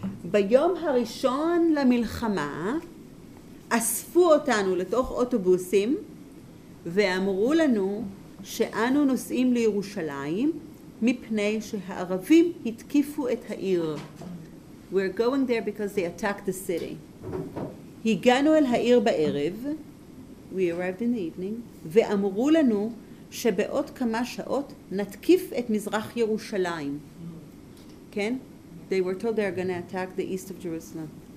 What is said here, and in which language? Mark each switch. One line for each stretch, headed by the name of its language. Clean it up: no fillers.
Hebrew: ביום הראשון למלחמה, אספו אותנו לתוך אוטובוסים, ואמרו לנו שאנו נוסעים לירושלים, מפני שהערבים התקיפו את העיר.
English: We're going there because they attacked the city.
Hebrew: הגענו אל העיר בערב,
English: we arrived in the evening,
Hebrew: ואמרו לנו שבעוד כמה שעות נתקיף את מזרח ירושלים. כן?
English: They were told they are going to attack the east of Jerusalem.